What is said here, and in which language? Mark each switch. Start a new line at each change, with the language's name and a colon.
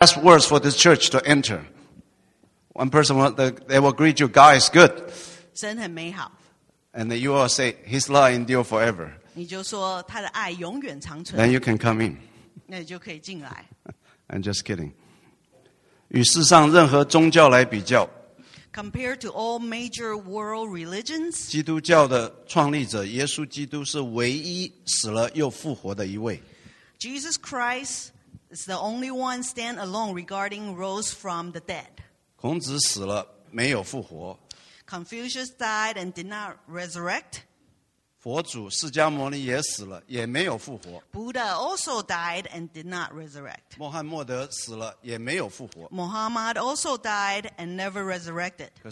English: best words for this church to enter. One person, they will greet you, God is good.
Chinese: 神很美好.
English: And you will say, His love endure forever.
Chinese: 你就说他的爱永远长存.
English: Then you can come in.
Chinese: 那你就可以进来.
English: I'm just kidding.
Chinese: 与世上任何宗教来比较,
English: Compared to all major world religions,
Chinese: 基督教的创立者耶稣基督是唯一死了又复活的一位。
English: Jesus Christ is the only one stand alone regarding rose from the dead.
Chinese: 孔子死了没有复活。
English: Confucius died and did not resurrect.
Chinese: 佛祖释迦牟尼也死了也没有复活。
English: Buddha also died and did not resurrect.
Chinese: 穆罕默德死了也没有复活。
English: Muhammad also died and never resurrected.